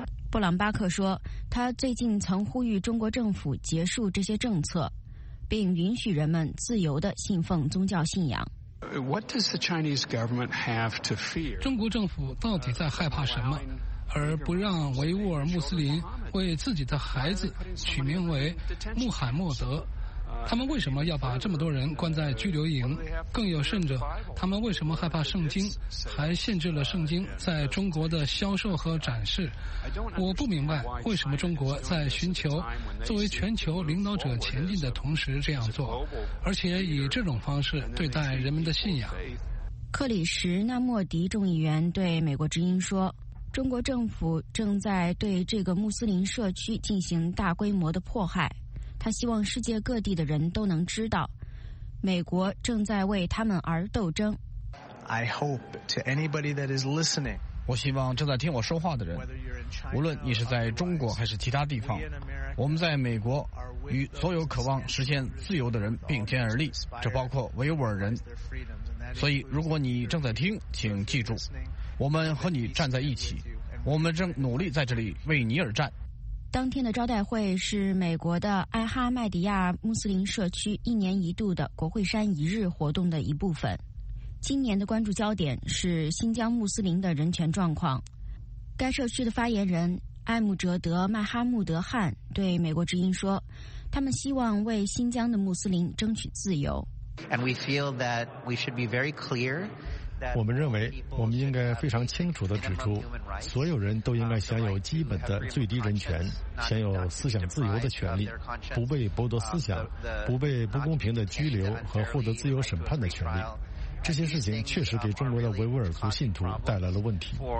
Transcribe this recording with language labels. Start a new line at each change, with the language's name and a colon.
Chinese: 布朗巴克说，他最近曾呼吁中国政府结束这些政策，并允许人们自由地信奉宗教信仰。
English: What does the Chinese government have to fear?
Chinese: 中国政府到底在害怕什么，而不让维吾尔穆斯林为自己的孩子取名为穆罕默德，他们为什么要把这么多人关在拘留营？更有甚者，他们为什么害怕圣经，还限制了圣经在中国的销售和展示？我不明白为什么中国在寻求作为全球领导者前进的同时这样做，而且以这种方式对待人们的信仰。克里什纳莫迪众议员对美国之音说，中国政府正在对这个穆斯林社区进行大规模的迫害，他希望世界各地的人都能知道美国正在为他们而斗争。
English: I hope to anybody that is listening,
Chinese: 我希望正在听我说话的人，无论你是在中国还是其他地方，我们在美国与所有渴望实现自由的人并肩而立，这包括维吾尔人。所以如果你正在听，请记住，我们和你站在一起，我们正努力在这里为你而战。当天的招待会是美国的艾哈迈迪亚穆斯林社区一年一度的国会山一日活动的一部分。今年的关注焦点是新疆穆斯林的人权状况。该社区的发言人艾姆哲德·麦哈穆德·汉对美国之音说，他们希望为新疆的穆斯林争取自由。
English: And we feel that we should be very clear.
Chinese: 我们认为我们应该非常清楚地指出，所有人都应该享有基本的最低人权，享有思想自由的权利，不被剥夺思想，不被不公平的拘留和获得自由审判的权利。这些事情确实给中国的维吾尔族信徒带来了问题。